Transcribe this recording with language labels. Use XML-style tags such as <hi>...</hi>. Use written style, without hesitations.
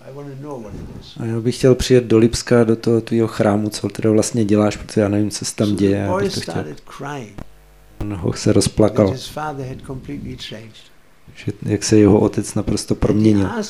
<en>I want to know what it is.</en> <cs>A já bych chtěl přijet do Lipska do toho tvýho chrámu, co teda vlastně děláš, protože já nevím, co se tam děje.</cs> <en>So the boy started crying.</en> <cs>Noho se rozplakal.</cs> <en>His father had completely changed.</en> <cs>Že, jak se jeho otec naprosto proměnil.</cs>